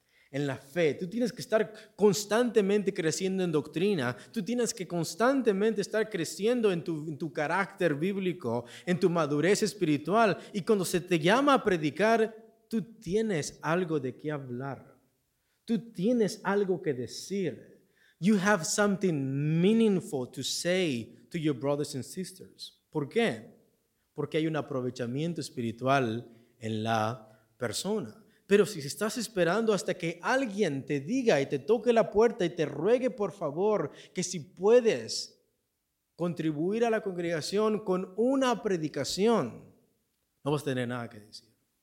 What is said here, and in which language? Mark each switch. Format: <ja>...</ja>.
<es>En la fe, tú tienes que estar constantemente creciendo en doctrina, tú tienes que constantemente estar creciendo en tu carácter bíblico, en tu madurez espiritual, y cuando se te llama a predicar, tú tienes algo de qué hablar, tú tienes algo que decir.</es> <en>You have something meaningful to say to your brothers and sisters.</en> <es>¿Por qué? Porque hay un aprovechamiento espiritual en la persona. Pero si estás esperando hasta que alguien te diga y te toque la puerta y te ruegue por favor que si puedes contribuir a la congregación con una predicación, no vas a tener nada que decir.</es>